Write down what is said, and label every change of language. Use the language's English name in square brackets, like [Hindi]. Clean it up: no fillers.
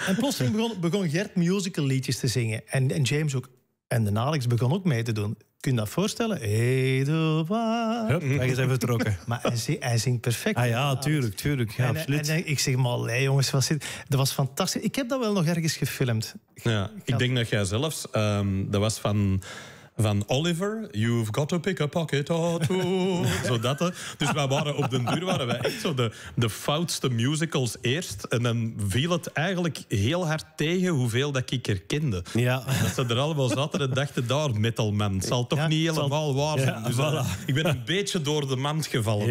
[Dutch] En plotseling begon Gert musical liedjes te zingen. En James ook. En de Alex begon ook mee te doen. Kun je dat voorstellen? Edelbaar. Hup, hij is vertrokken. Maar hij zingt perfect. Ah ja, tuurlijk. Ja, absoluut. En ik zeg, maar allee, jongens, dat was fantastisch. Ik heb dat wel nog ergens gefilmd. Ja, ik denk dat jij zelfs... dat was van Oliver, [English] you've got to pick a pocket or two. [Dutch] Zodat dus wij waren op den duur waren wij echt zo de foutste musicals eerst. En dan viel het eigenlijk heel hard tegen hoeveel dat ik herkende. Ja. Dat ze er allemaal zaten en dachten, daar, metalman. Het zal toch niet helemaal waar zijn. Ja, dus voilà. Ik ben een beetje door de mand gevallen.